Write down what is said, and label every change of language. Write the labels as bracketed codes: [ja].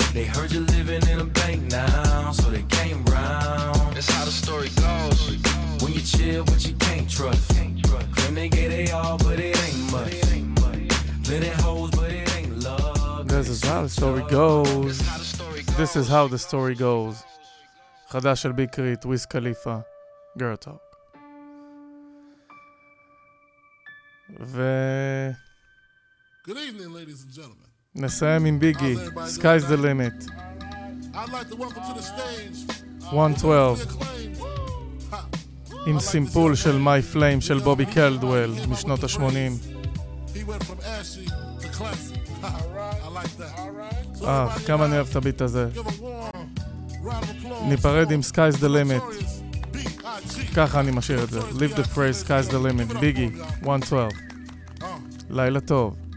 [en] They heard you living in a bank now, so they came round. That's how the story goes. When you chill but you can't trust. Then they get it all but it ain't much. Then it holds but it ain't love. This is how the story goes. This is how the story goes. [he] חדש של ביקרית, וויז קליפה, גירל טוק. ו... [en] Good evening, ladies and gentlemen. [he] נסיים עם ביגי, Sky's the Limit. [en] I'd like to welcome to the stage [he] 112 עם סימפול של My Flame של בובי קלדוול משנות ה-80. [en] He went from ashy to classy. I like that. [he] כמה אני אוהב את הביט הזה. ניפרד עם Sky's the Limit. ככה אני משאיר את זה. [en] Leave the phrase Sky's the Limit. [he] ביגי, 112. לילה טוב.